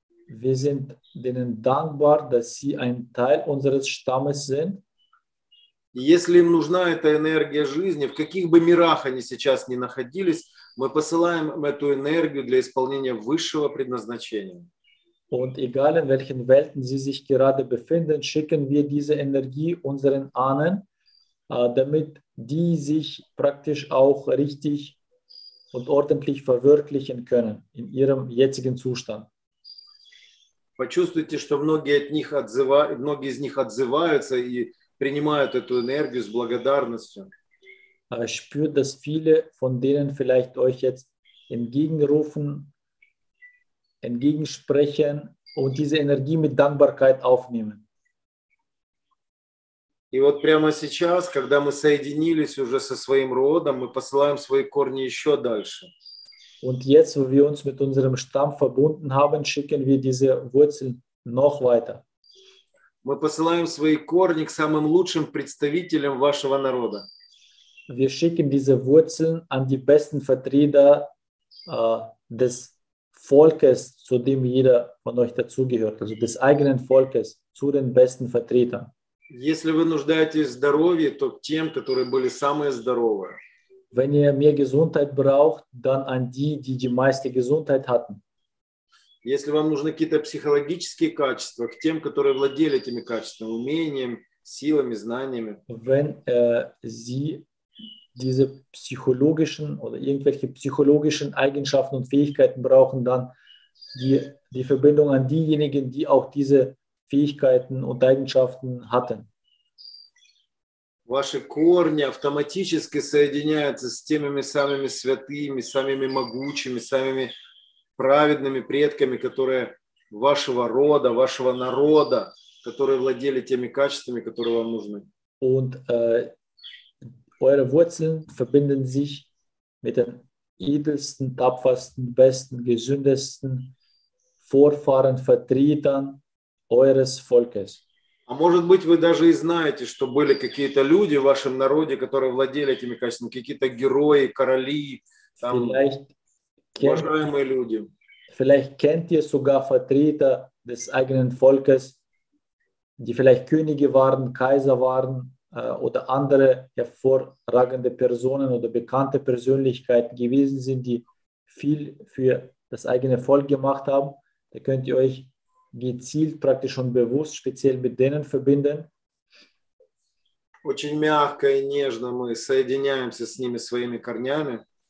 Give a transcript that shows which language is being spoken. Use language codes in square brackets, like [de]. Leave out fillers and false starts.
[de] Wir sind denen dankbar, dass sie ein Teil unseres Stammes sind. [ru] Если им нужна эта энергия жизни, в каких бы мирах они сейчас ни находились, мы посылаем эту энергию для исполнения высшего предназначения. [de] Und egal in welchen Welten sie sich gerade befinden, schicken wir diese Energie unseren Ahnen, damit die sich praktisch auch richtig und ordentlich verwirklichen können in ihrem jetzigen Zustand. [ru] Почувствуйте, что многие из них отзываются и принимают эту энергию с благодарностью. [de] Spürt, dass viele von denen vielleicht euch jetzt entgegenrufen, entgegensprechen und diese Energie mit Dankbarkeit aufnehmen. [ru] И вот прямо сейчас, когда мы соединились уже со своим родом, мы посылаем свои корни еще дальше. [de] Und jetzt, wo wir uns mit unserem Stamm verbunden haben, schicken wir diese Wurzeln noch weiter. [ru] Мы посылаем свои корни к самым лучшим представителям вашего народа. [de] Wir schicken diese Wurzeln an die besten Vertreter des Volkes, zu dem jeder von euch dazugehört, also des eigenen Volkes, zu den besten Vertretern. [ru] Если вы нуждаетесь в здоровье, то к тем, которые были самые здоровые. [de] Wenn ihr mehr Gesundheit braucht, dann an die, die die meiste Gesundheit hatten. [ru] Если вам нужны какие-то психологические качества, к тем, которые владели этими качествами, умением, силами, знаниями. [de] Wenn sie diese psychologischen oder irgendwelche psychologischen Eigenschaften und Fähigkeiten brauchen, dann die Verbindung an diejenigen, die auch diese Fähigkeiten und Eigenschaften hatten. [ru] Ваши корни автоматически соединяются с теми самыми святыми, самыми могучими, самыми праведными предками, которые вашего рода, вашего народа, которые владели теми качествами, которые вам нужны. [de] Und eure Wurzeln verbinden sich mit den edelsten, tapfersten, besten, gesündesten Vorfahren, Vertretern eures Volkes. [ru] А может быть, вы даже и знаете, что были какие-то люди в вашем народе, которые владели этими качествами, какие-то герои, короли, там, уважаемые люди. [de] Vielleicht kennt ihr sogar Vertreter des eigenen Volkes, die vielleicht Könige waren, Kaiser waren oder andere hervorragende Personen oder bekannte Persönlichkeiten gewesen sind, die viel für das eigene Volk gemacht haben. Da könnt ihr euch gezielt, praktisch und bewusst speziell mit denen verbinden. [ru] очень мягко и нежно мы соединяемся с ними своими корнями.